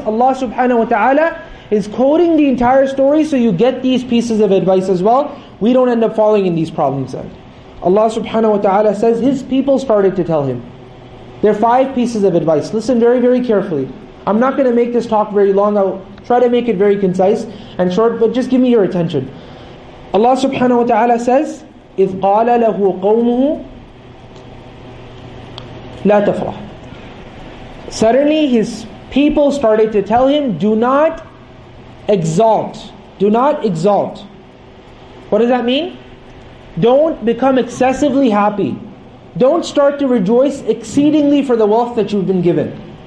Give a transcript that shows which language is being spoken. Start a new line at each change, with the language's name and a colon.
English: Allah subhanahu wa ta'ala is quoting the entire story so you get these pieces of advice as well. We don't end up falling in these problems then. Allah subhanahu wa ta'ala says his people started to tell him. There are five pieces of advice. Listen very, very carefully. I'm not going to make this talk very long. I'll try to make it very concise and short, but just give me your attention.
Arabic: Allah subhanahu wa ta'ala says, إِذْ قَالَ لَهُ قَوْمُهُ لَا تَفْرَحْ.
English: Suddenly his people started to tell him, do not exalt. Do not exalt. What does that mean? Don't become excessively happy. Don't start to rejoice exceedingly for the wealth that you've been given.